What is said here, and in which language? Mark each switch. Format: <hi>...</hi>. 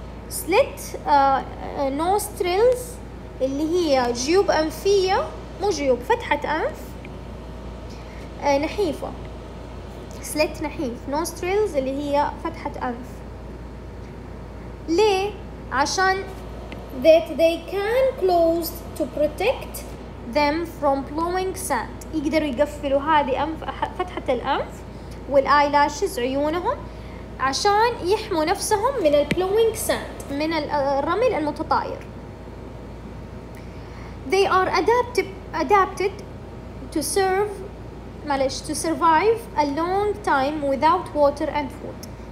<ar>slit nostrils اللي هي جيوب أنفية، مو جيوب، فتحة أنف نحيفة. slit نحيف، nostrils اللي هي فتحة أنف. ليه؟ عشان</ar> <en>that they can close to protect them from blowing sand.</en> <ar>يقدروا يقفلوا هذه أنف فتحة الأنف والأيلاشز عيونهم عشان يحموا نفسهم من blowing sand من الرمل المتطاير.</ar> <en>They are adapted to survive a long time without water and food.</en>